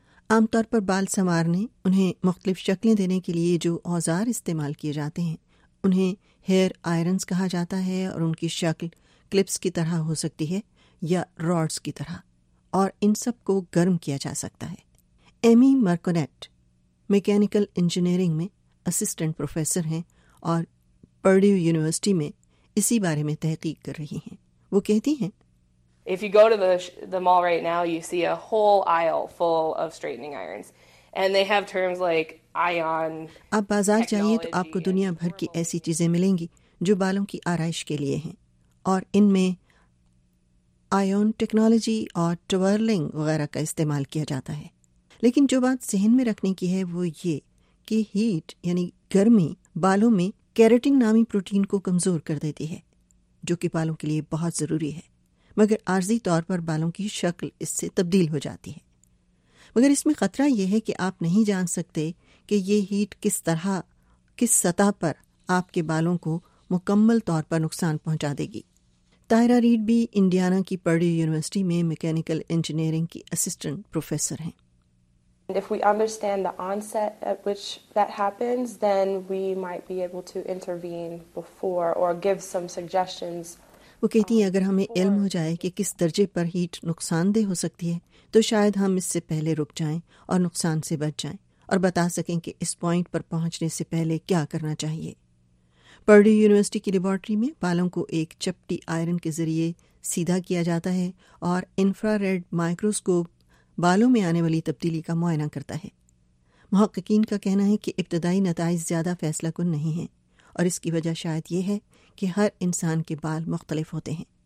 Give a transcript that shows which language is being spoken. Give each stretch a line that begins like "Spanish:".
Urdu: عام طور پر بال سنوارنے, انہیں مختلف شکلیں دینے کے لیے جو اوزار استعمال کیے جاتے ہیں انہیں ہیئر آئرنز کہا جاتا ہے, اور ان کی شکل کلپس کی طرح ہو سکتی ہے یا راڈز کی طرح, اور ان سب کو گرم کیا جا سکتا ہے. ایمی مرکونیٹ میکینیکل انجینئرنگ میں اسسٹنٹ پروفیسر ہیں اور پرڈیو یونیورسٹی میں اسی بارے میں تحقیق کر رہی ہیں. وہ کہتی ہیں,
English: If you go to the mall right now, you see a whole aisle full of straightening irons. And they have terms like ion.
Urdu: آپ بازار جائیے تو آپ کو دنیا بھر کی ایسی چیزیں ملیں گی جو بالوں کی آرائش کے لیے ہیں, اور ان میں آئون ٹیکنالوجی اور ٹورلنگ وغیرہ کا استعمال کیا جاتا ہے. لیکن جو بات ذہن میں رکھنے کی ہے وہ یہ کہ ہیٹ یعنی گرمی بالوں میں کیریٹن نامی پروٹین کو کمزور کر دیتی ہے جو کہ بالوں کے لیے بہت ضروری ہے, مگر عارضی طور پر بالوں کی شکل اس سے تبدیل ہو جاتی ہے. مگر اس میں خطرہ یہ ہے کہ آپ نہیں جان سکتے کہ یہ ہیٹ کس طرح کس سطح پر آپ کے بالوں کو مکمل طور پر نقصان پہنچا دے گی. تائرہ ریڈ بھی انڈیانا کی پرڈیو یونیورسٹی میں میکینیکل انجینئرنگ کی اسسٹنٹ پروفیسر ہیں.
English: If we understand the onset at which that happens, then we might be able to intervene before or give some suggestions.
Urdu: وہ کہتی ہیں اگر ہمیں علم ہو جائے کہ کس درجے پر ہیٹ نقصان دہ ہو سکتی ہے تو شاید ہم اس سے پہلے رک جائیں اور نقصان سے بچ جائیں اور بتا سکیں کہ اس پوائنٹ پر پہنچنے سے پہلے کیا کرنا چاہیے. پرڈیو یونیورسٹی کی لیبارٹری میں بالوں کو ایک چپٹی آئرن کے ذریعے سیدھا کیا جاتا ہے اور انفرا ریڈ مائکروسکوپ بالوں میں آنے والی تبدیلی کا معائنہ کرتا ہے۔ محققین کا کہنا ہے کہ ابتدائی نتائج زیادہ فیصلہ کن نہیں ہیں، اور اس کی وجہ شاید یہ ہے کہ ہر انسان کے بال مختلف ہوتے ہیں۔